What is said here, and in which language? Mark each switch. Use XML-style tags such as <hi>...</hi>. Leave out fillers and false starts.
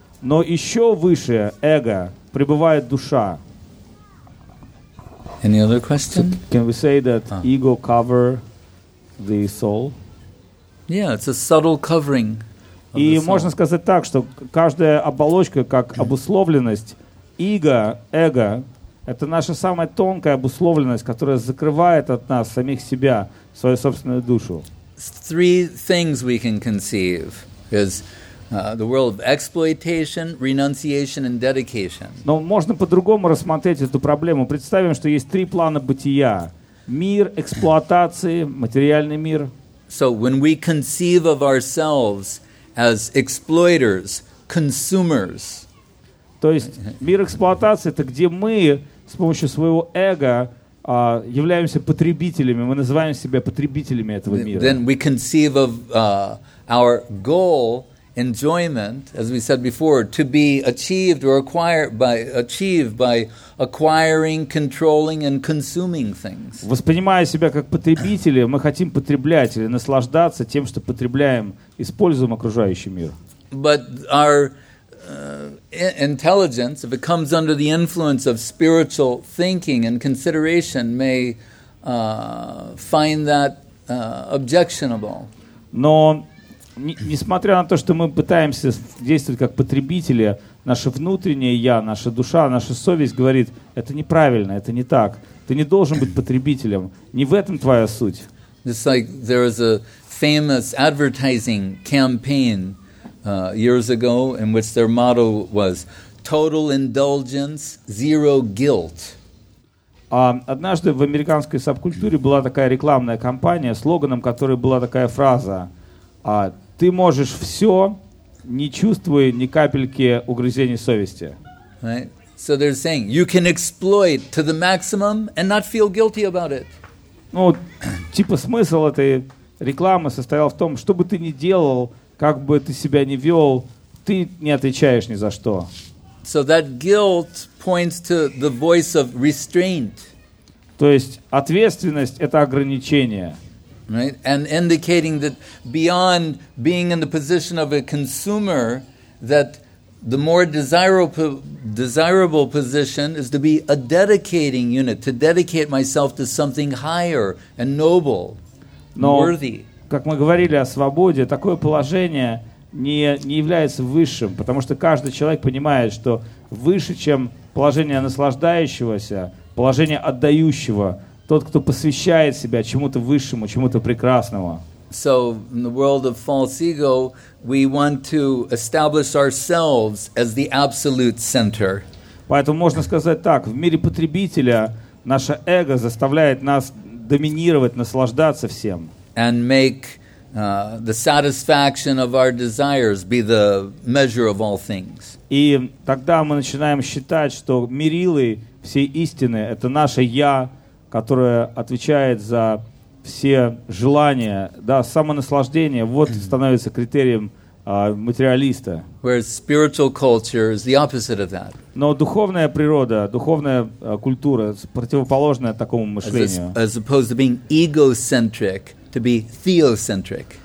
<ru>Но еще выше эго пребывает душа.</ru> <en>Any other question? Can we say that ego cover the soul? Yeah, it's a subtle covering.</en> <ru>И можно сказать так, что каждая оболочка, как обусловленность, эго, это наша самая тонкая обусловленность, которая закрывает от нас самих себя, свою собственную душу.</ru> <en>Three things we can conceive is the world of exploitation, renunciation, and dedication.</en> <ru>Но можно по-другому рассмотреть эту проблему. Представим, что есть три плана бытия. Мир эксплуатации, материальный мир.</ru> <en>So when we conceive of ourselves as exploiters, consumers.</en> <ru>То есть мир эксплуатации — это где мы с помощью своего эго являемся потребителями, мы называем себя потребителями этого мира.</ru> <en>Then we conceive of our goal, enjoyment, as we said before, to be achieved or achieved by acquiring, controlling and consuming things.</en> <ru>Воспринимая себя как потребителя, мы хотим потреблять или наслаждаться тем, что потребляем, используем окружающий мир.</ru> <en>But our intelligence, if it comes under the influence of spiritual thinking and consideration, may find that objectionable.</en> <ru>Но несмотря на то, что мы пытаемся действовать как потребители, наше внутреннее я, наша душа, наша совесть говорит, это неправильно, это не так. Ты не должен быть потребителем. Не в этом твоя суть.</ru> <en>Just like there was a famous advertising campaign years ago in which their motto was total indulgence, zero guilt.</en> <ru>Однажды в американской субкультуре была такая рекламная кампания, слоганом которой была такая фраза: ты можешь все, не чувствуя ни капельки угрызений совести.</ru> <en>Right? So they're saying you can exploit to the maximum and not feel guilty about it.</en> <ru>Ну, типа смысл этой рекламы состоял в том, что бы ты ни делал, как бы ты себя ни вел, ты не отвечаешь ни за что.</ru> <en>So that guilt points to the voice of restraint.</en> <ru>То есть ответственность — это ограничение.</ru> <en>Right? And indicating that beyond being in the position of a consumer, that the more desirable position is to be a dedicating unit, to dedicate myself to something higher and noble,</en> <ru>Но,</ru> <en>worthy.</en> <ru>Как мы говорили о свободе, такое положение не является высшим, потому что каждый человек понимает, что выше, чем положение наслаждающегося, положение отдающего, тот, кто посвящает себя чему-то высшему, чему-то прекрасному.</ru> <en>So, in the world of false ego, we want to establish ourselves as the absolute center.</en> <ru>Поэтому можно сказать так, в мире потребителя наше эго заставляет нас доминировать, наслаждаться всем.</ru> <en>And make the satisfaction of our desires be the measure of all things.</en> <ru>И тогда мы начинаем считать, что мерилы всей истины — это наше «я», которое отвечает за все желания, да, самонаслаждение, вот становится критерием материалиста.</ru> <en>Whereas spiritual culture is the opposite of that.</en> <ru>Но духовная природа, духовная культура противоположна такому мышлению.</ru> <en>As opposed to being egocentric, to be theocentric.</en>